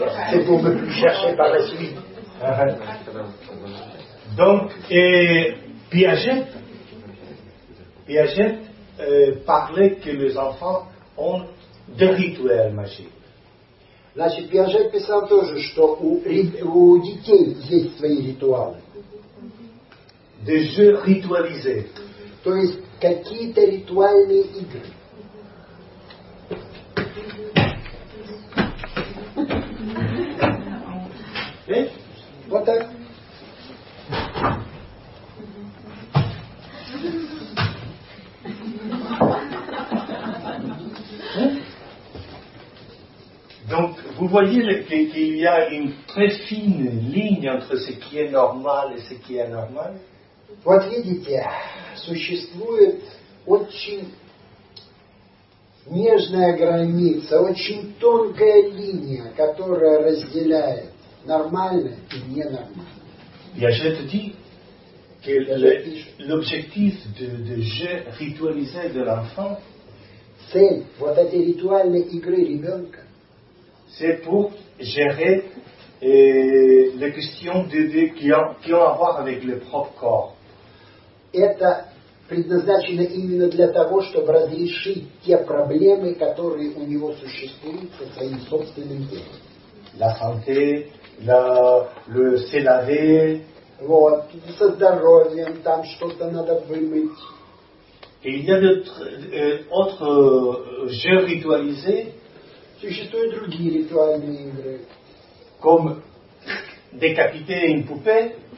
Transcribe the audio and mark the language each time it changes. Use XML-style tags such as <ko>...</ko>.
<fr>c'est pour me chercher par la suite. Donc, et Piaget parlait que les enfants ont des rituels magiques.</fr> <ru>Значит, Пиажет писал тоже, что у детей есть свои ритуалы.</ru> <fr>Des jeux ritualisés.</fr> <ru>То есть какие-то ритуальные игры. Вот так.</ru> <fr>Donc, vous voyez qu'il y a une très fine ligne entre ce qui est normal et ce qui est anormal.</fr> <ru>Вот видите, существует очень нежная граница, очень тонкая линия, которая разделяет нормально и ненормально.</ru> <fr>Я же это ди, que l'objectif de jeu ritualisé de l'enfant,</fr> <ru>цель вот этой ритуальной игры ребенка,</ru> <fr>c'est pour gérer les questions qui ont à voir avec le propre corps.</fr> <ru>Это предназначено именно для того, чтобы разрешить те проблемы, которые у него существуют со своим собственным телом.</ru> <fr>La santé, le se laver.</fr> <ru>Вот, со здоровьем, там что-то надо вымыть.</ru> <fr>Il y a d'autres jeux ritualisés.</fr> <ru>Существуют другие ритуальные игры.</ru> <fr>Comme décapiter une poupée.</fr>